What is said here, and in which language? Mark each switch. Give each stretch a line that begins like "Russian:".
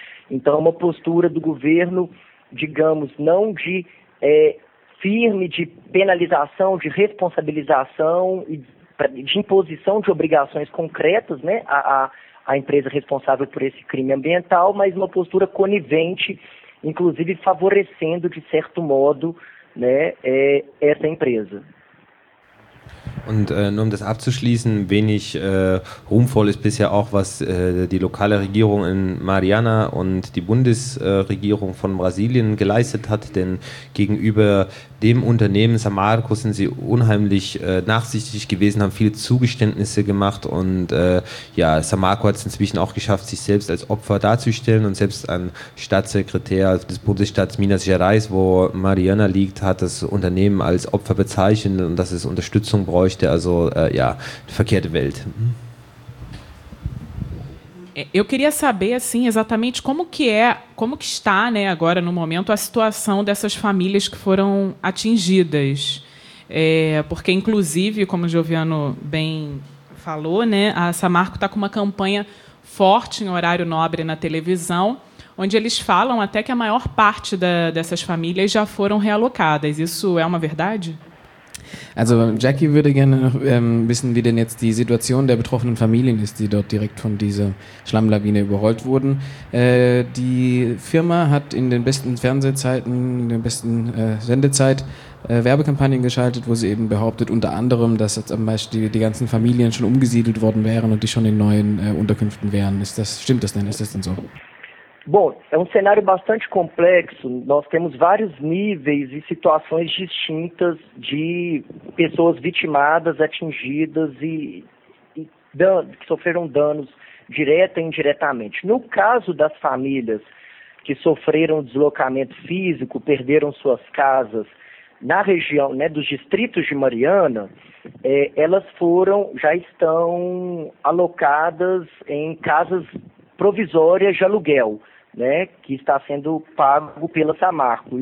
Portuguese: Então, uma postura do governo, digamos, não de firme de penalização, de responsabilização e de imposição de obrigações concretas, né, à empresa responsável por esse crime ambiental, mas uma postura conivente, inclusive favorecendo, de certo modo, né, essa empresa.
German: Und nur um das abzuschließen, wenig ruhmvoll ist bisher auch, was die lokale Regierung in Mariana und die Bundesregierung von Brasilien geleistet hat, denn gegenüber dem Unternehmen Samarco sind sie unheimlich nachsichtig gewesen, haben viele Zugeständnisse gemacht und ja, Samarco hat es inzwischen auch geschafft, sich selbst als Opfer darzustellen und selbst ein Staatssekretär des Bundesstaats Minas Gerais, wo Mariana liegt, hat das Unternehmen als Opfer bezeichnet und dass es Unterstützung bräuchte, also ja, verkehrte Welt.
Portuguese: Eu queria saber, assim, exatamente como que está, né, agora, no momento, a situação dessas famílias que foram atingidas. É, porque, inclusive, como o Gioviano bem falou, né, a Samarco está com uma campanha forte em horário nobre na televisão, onde eles falam até que a maior parte dessas famílias já foram realocadas. Isso é uma verdade?
German: Also Jackie würde gerne noch wissen, wie denn jetzt die Situation der betroffenen Familien ist, die dort direkt von dieser Schlammlawine überrollt wurden. Die Firma hat in den besten Fernsehzeiten, in der besten Sendezeit Werbekampagnen geschaltet, wo sie eben behauptet, unter anderem, dass jetzt zum Beispiel die ganzen Familien schon umgesiedelt worden wären und die schon in neuen Unterkünften wären. Stimmt das denn? Ist das denn so?
Portuguese: Bom, é um cenário bastante complexo. Nós temos vários níveis e situações distintas de pessoas vitimadas, atingidas e que sofreram danos direta e indiretamente. No caso das famílias que sofreram deslocamento físico, perderam suas casas na região, né, dos distritos de Mariana, elas foram, já estão alocadas em casas provisórias de aluguel, né, que está sendo pago pela Samarco.